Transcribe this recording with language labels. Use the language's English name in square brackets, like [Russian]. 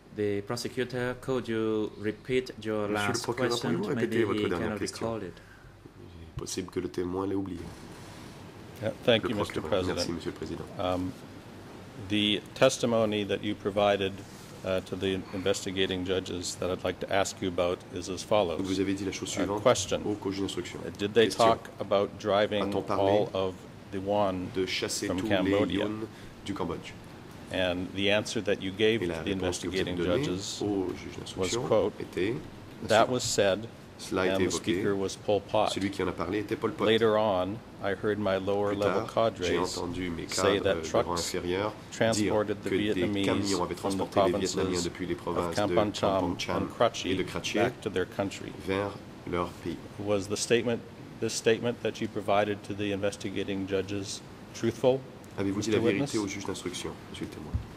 [English] The prosecutor, could you repeat your last question? Maybe he cannot recall it. [French] Il est possible que le témoin l'ait oublié. [English] Thank you, Mr. President. [French] Merci, Monsieur le Président. [English] The testimony that you provided to the investigating judges that I'd like to ask you about is as follows. [French] Vous avez dit la chose suivante. [English] Question. [French] Au cours d'instruction. [English] Did they talk about driving all of the yuan [French] de chasser [English] from [French] tous [English] Cambodia? [French] Les yuan du Cambodge? [English] And the answer that you gave to the investigating judges was, quote, that was said, and the speaker was Pol Pot. [French] Celui qui en a parlé était Pol Pot. [English] Later on, I heard my lower-level cadres say that trucks transported the Vietnamese from the provinces of Kampong-cham and Krachi back to their country. [French] Vers leur pays. [English] Was the statement that you provided to the investigating judges truthful? [French] Avez-vous dit la vérité au juge d'instruction, monsieur le témoin?